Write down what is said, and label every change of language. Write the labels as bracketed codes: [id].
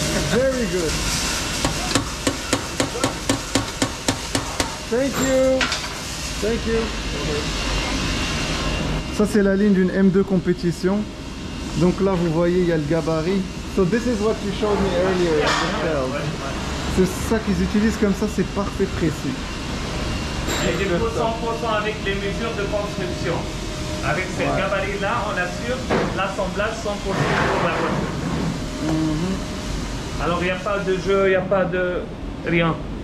[en] Very good. Thank you. Thank you. [fr] Ça c'est la ligne d'une M2 compétition. Donc là vous voyez il y a le gabarit. [en] So this is what you showed me earlier. [fr] C'est ça qu'ils utilisent comme ça, c'est parfait précis. Et du coup 100% avec les mesures de construction. Avec ce ouais. Gabarit là, on assure l'assemblage 100% pour la voiture. Mm-hmm. Alors il n'y a pas de jeu, il n'y a pas de rien.